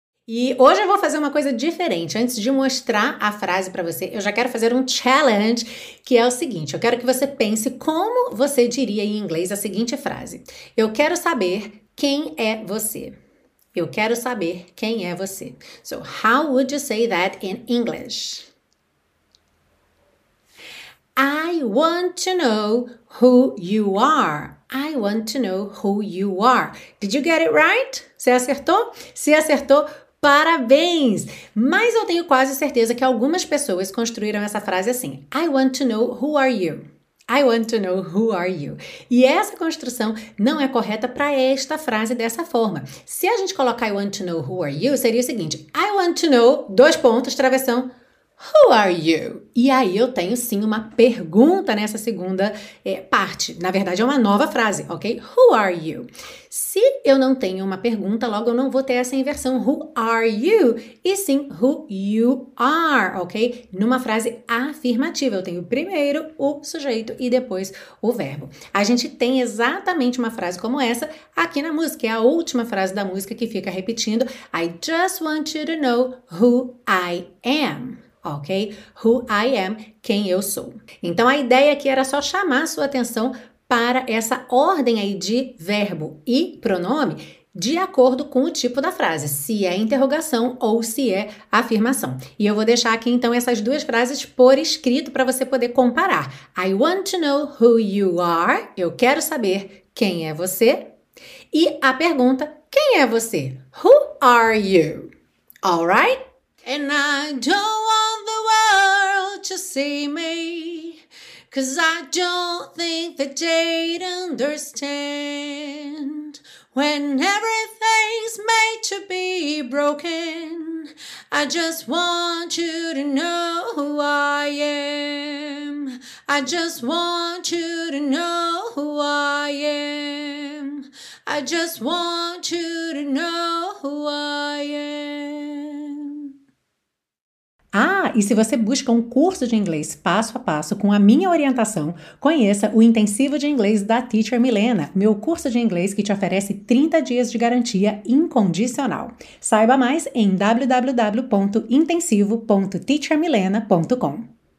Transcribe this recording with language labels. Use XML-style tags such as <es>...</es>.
<pt>E hoje eu vou fazer uma coisa diferente. Antes de mostrar a frase para você, eu já quero fazer um challenge, que é o seguinte. Eu quero que você pense como você diria em inglês a seguinte frase. Eu quero saber quem é você. Eu quero saber quem é você.</pt> <en>So, how would you say that in English? I want to know who you are. I want to know who you are. Did you get it right?</en> <pt>Você acertou? Se acertou, parabéns! Mas eu tenho quase certeza que algumas pessoas construíram essa frase assim.</pt> <en>I want to know who are you. I want to know who are you.</en> <pt>E essa construção não é correta para esta frase dessa forma. Se a gente colocar</pt> <en>I want to know who are you,</en> <pt>seria o seguinte.</pt> <en>I want to know,</en> <pt>dois pontos, travessão,</pt> <en>who are you?</en> <pt>E aí eu tenho sim uma pergunta nessa segunda parte. Na verdade é uma nova frase, ok?</pt> <en>Who are you?</en> <pt>Se eu não tenho uma pergunta, logo eu não vou ter essa inversão.</pt> <en>Who are you?</en> <pt>E sim,</pt> <en>who you are, ok?</en> <pt>Numa frase afirmativa. Eu tenho primeiro o sujeito e depois o verbo. A gente tem exatamente uma frase como essa aqui na música. É a última frase da música que fica repetindo.</pt> <en>I just want you to know who I am. Ok? Who I am,</en> <pt>quem eu sou. Então, a ideia aqui era só chamar sua atenção para essa ordem aí de verbo e pronome de acordo com o tipo da frase, se é interrogação ou se é afirmação. E eu vou deixar aqui, então, essas duas frases por escrito para você poder comparar.</pt> <en>I want to know who you are.</en> <pt>Eu quero saber quem é você. E a pergunta, quem é você?</pt> <en>Who are you? All right? And I don't want the world to see me, 'cause I don't think that they'd understand. When everything's made to be broken, I just want you to know who I am. I just want you to know who I am. I just want you to know who I am.</en> <pt>Ah, e se você busca um curso de inglês passo a passo com a minha orientação, conheça o Intensivo de Inglês da Teacher Milena, meu curso de inglês que te oferece 30 dias de garantia incondicional. Saiba mais em www.intensivo.teachermilena.com.</pt>